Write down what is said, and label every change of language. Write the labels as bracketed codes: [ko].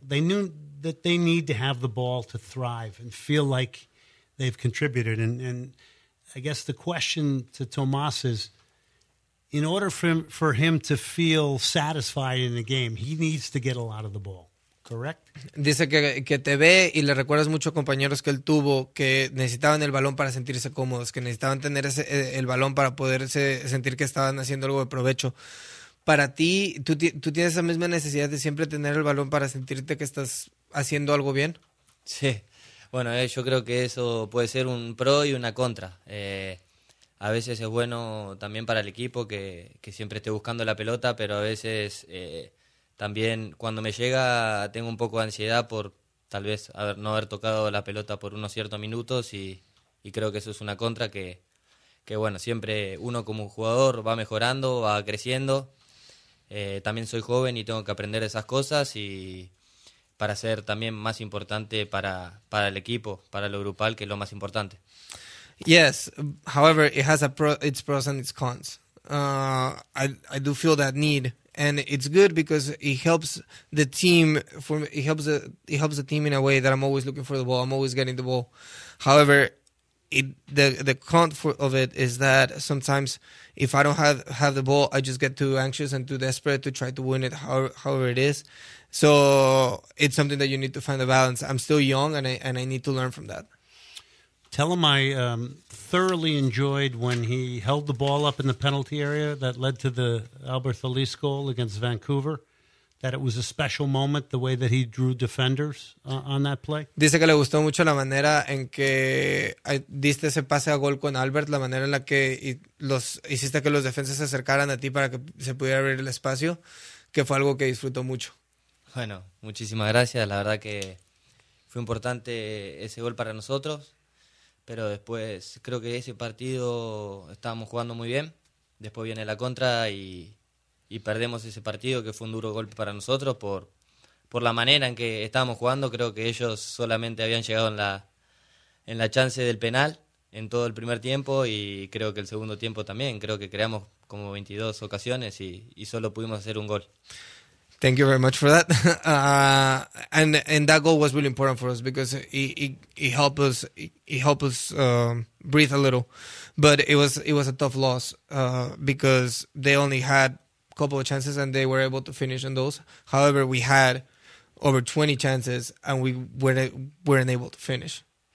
[en] They knew that they need to have the ball to thrive and feel like they've contributed. And I guess the question to Tomas is, in order for him to feel satisfied in the game, he needs to get a lot of the ball, correct? [es] Dice que te ve y le recuerdas mucho a compañeros que él tuvo que necesitaban el balón para sentirse cómodos, que necesitaban tener ese, el balón para poderse sentir que estaban haciendo algo de provecho. Para ti, ¿tú tienes esa misma necesidad de siempre tener el balón para sentirte que estás haciendo algo bien? Sí. Bueno, yo creo que eso puede ser un pro y una contra. A veces es bueno también para el equipo que siempre esté buscando la pelota, pero a veces también cuando me llega tengo un poco de ansiedad por tal vez no haber tocado la pelota por unos ciertos minutos y creo que eso es una contra que bueno, siempre uno como jugador va mejorando, va creciendo. También soy joven y tengo que aprender esas cosas y para ser también más importante para el equipo, para lo grupal, que es lo más importante. [en] Yes, however, it has its pros and its cons. I do feel that need, and it's good because it helps the team. It helps the team in a way that I'm always looking for the ball. I'm always getting the ball. However, the con of it is that sometimes if I don't have the ball, I just get too anxious and too desperate to try to win it. However it is, so it's something that you need to find a balance. I'm still young, and I need to learn from that. Tell him I thoroughly enjoyed when he held the ball up in the penalty area that led to the Albert Feliz goal against Vancouver, that it was a special moment, the way that he drew defenders on that play. [es] Dice que le gustó mucho la manera en que diste ese pase a gol con Albert, la manera en la que hiciste que los defensas se acercaran a ti para que se pudiera abrir el espacio, que fue algo que disfrutó mucho. Bueno, muchísimas gracias. La verdad que fue importante ese gol para nosotros. Pero después, creo que ese partido estábamos jugando muy bien. Después viene la contra y perdemos ese partido, que fue un duro golpe para nosotros por la manera en que estábamos jugando. Creo que ellos solamente habían llegado en la chance del penal en todo el primer tiempo y creo que el segundo tiempo también. Creo que creamos como 22 ocasiones y solo pudimos hacer un gol. [en] Thank you very much for that. And that goal was really important for us because it helped us breathe a little. But it was a tough loss because they only had a couple of chances and they were able to finish on those. However, we had over 20 chances and we weren't able to finish.